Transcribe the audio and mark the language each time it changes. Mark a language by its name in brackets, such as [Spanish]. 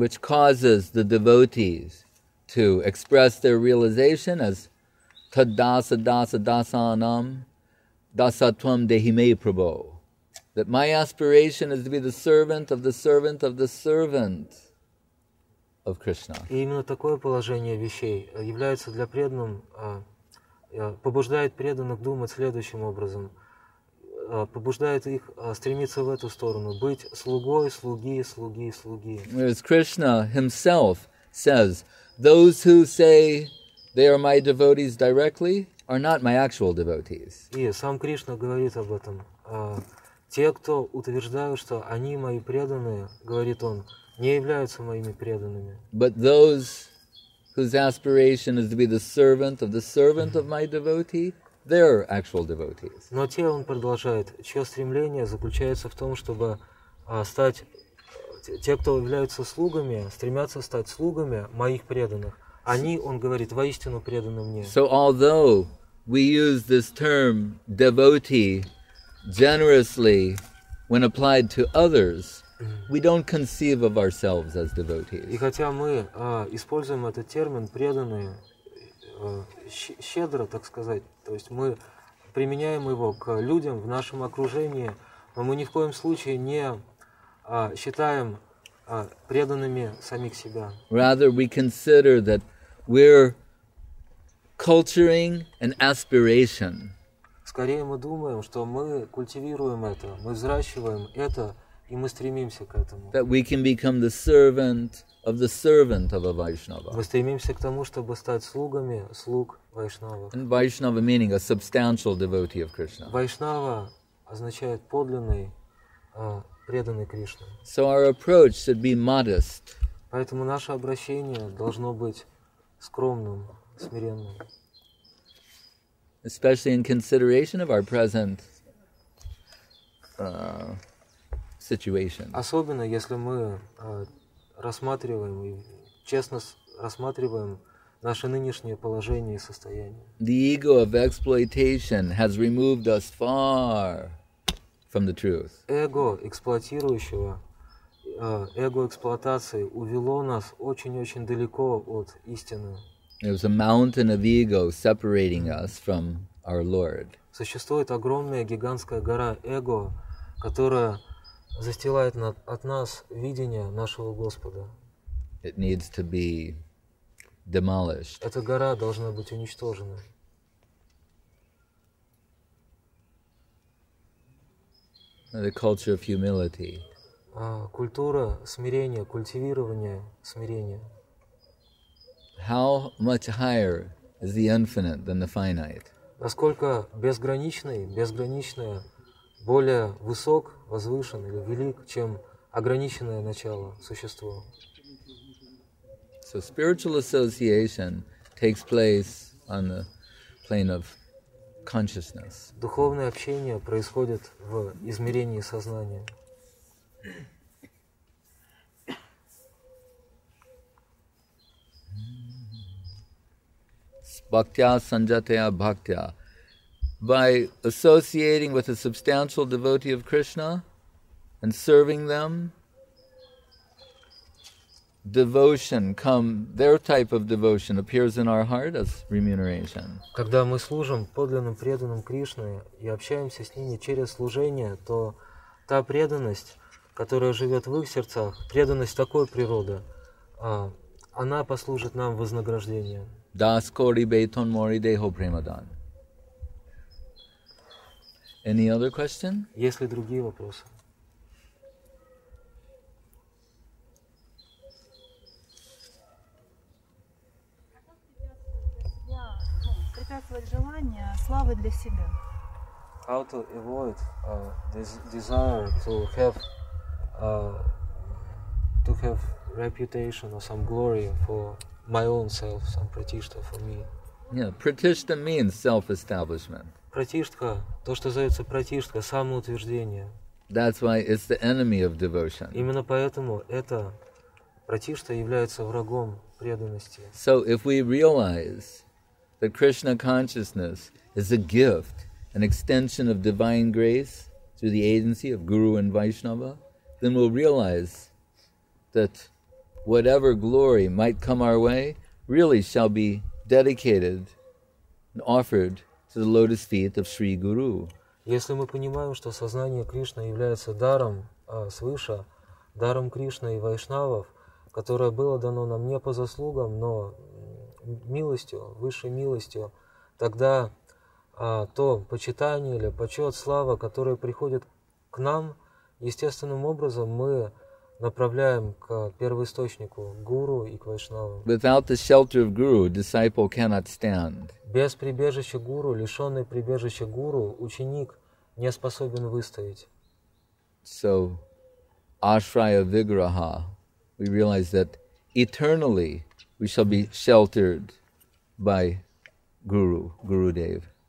[English] Which causes the devotees to express their realization as [Sanskrit] tadasa dasa dasanam dasatvam dehime prabho. [English] That my aspiration is to be the servant of the servant of the servant of Krishna. [Russian] И именно такое положение вещей является для преданным, побуждает преданных думать следующим образом, побуждает их стремиться в эту сторону, быть слугой, слуги, слуги, слуги. [English] Whereas Krishna himself says, those who say they are my devotees directly are not my actual devotees. [Russian] И сам Кришна говорит об этом. Те, кто утверждают, что они мои преданные, говорит он, не являются моими преданными. [English] But those whose aspiration is to be the servant of the servant of my devotee, they're actual devotees. [Russian] Но те, он продолжает, чье стремление заключается в том, чтобы стать, те, кто являются слугами, стремятся стать слугами моих преданных, они, он говорит, воистину преданы мне. [English] So although we use this term devotee generously, when applied to others, we don't conceive of ourselves as devotees. [Russian] И хотя мы используем этот термин преданные щедро, так сказать, то есть мы применяем его к людям в нашем окружении, но мы ни в коем случае не считаем преданными самих себя. [English] Rather, we consider that we're culturing an aspiration. [Russian] Скорее мы думаем, что мы культивируем это, мы взращиваем это, и мы стремимся к этому. [English] That we can become the servant of the servant of a Vaishnava. [Russian] Мы стремимся к тому, чтобы стать слугами слуг Вайшнава. [English] And Vaishnava meaning a substantial devotee of Krishna. [Russian] Вайшнава означает подлинный, преданный Кришне. [English] So our approach should be modest. [Russian] Поэтому наше обращение должно быть скромным, смиренным. [English] Especially in consideration of our present situation. [Russian] Особенно если мы рассматриваем и честно рассматриваем наше нынешнее положение и состояние. [English] The ego of exploitation has removed us far from the truth. [Russian] Эго эксплуатирующего, эго эксплуатации увело нас очень-очень далеко от истины. [English] There was a mountain of ego separating us from our Lord. [Russian] Существует огромная гигантская гора эго, которая застилает от нас видение нашего Господа. [English] It needs to be demolished. [Russian] Эта гора должна быть уничтожена. [English] The culture of humility. [Russian] Культура смирения, культивирование смирения. [English] How much higher is the infinite than the finite? [Russian] Насколько безграничный, безграничное, более высок, возвышен или велик, чем ограниченное начало существо? [English] So spiritual association takes place on the plane of consciousness. [Russian] Духовное общение происходит в измерении сознания. [Sanskrit] Bhaktya sanjataya bhaktya. [English] By associating with a substantial devotee of Krishna and serving them, devotion come, their type of devotion appears in our heart as remuneration. [Russian] Когда мы служим подлинным преданным Кришне и общаемся с ними через служение, то та преданность, которая живет в их сердцах, преданность такой природы, она послужит нам вознаграждением. [Bangla] Das kori beton mori deho premadan. [English] Any other question? [Russian] Есть ли другие вопросы? препятствовать желания славы для себя? [English] How to avoid this desire to have reputation or some glory for my own self, some pratishtha for me? Yeah, pratishtha means self-establishment. [Russian] Pratishtha, то что называется pratishtha, самоутверждение. [English] That's why it's the enemy of devotion. [Russian] Именно поэтому это pratishtha является врагом преданности. [English] So if we realize that Krishna consciousness is a gift, an extension of divine grace through the agency of Guru and Vaishnava, then we'll realize that whatever glory might come our way really shall be dedicated and offered to the lotus feet of Sri Guru. [Russian] Если мы понимаем, что сознание Кришны является даром свыше, даром Кришны и Вайшнавов, которое было дано нам не по заслугам, но милостью, высшей милостью, тогда то почитание или почет, слава, которые приходят к нам, естественным образом мы направляем к первоисточнику, к гуру и к вайшнавам. [English] Without the shelter of guru, disciple cannot stand. [Russian] Без прибежища гуру, лишенный прибежища гуру, ученик не способен выстоять. [English] So, ashraya vigraha, we realize that eternally we shall be sheltered by guru, Gurudev.